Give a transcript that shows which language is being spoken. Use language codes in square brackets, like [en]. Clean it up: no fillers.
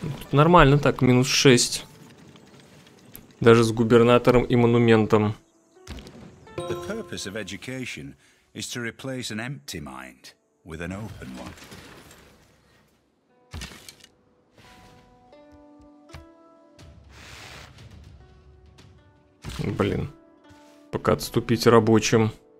[ru] Нормально так, минус 6. Даже с губернатором и монументом. [en] The purpose of education is to replace an empty mind with an open one. [ru] Блин. Пока отступить рабочим.